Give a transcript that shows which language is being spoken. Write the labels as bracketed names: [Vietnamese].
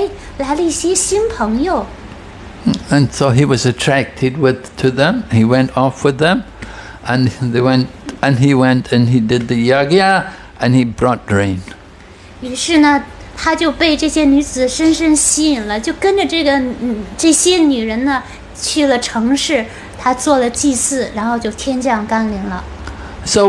[Chinese] 然后这个男孩子呢，到在森林里一看见这些美丽动人的女子的时候呢，他就是天真的觉得，哎，来了一些新朋友。 [English] And so he was attracted to them. He went off with them, and they went, and he went, and he did the yagya, and he brought rain. [Chinese] 于是呢，他就被这些女子深深吸引了，就跟着这些女人呢，去了城市。他做了祭祀，然后就天降甘霖了。 [English] So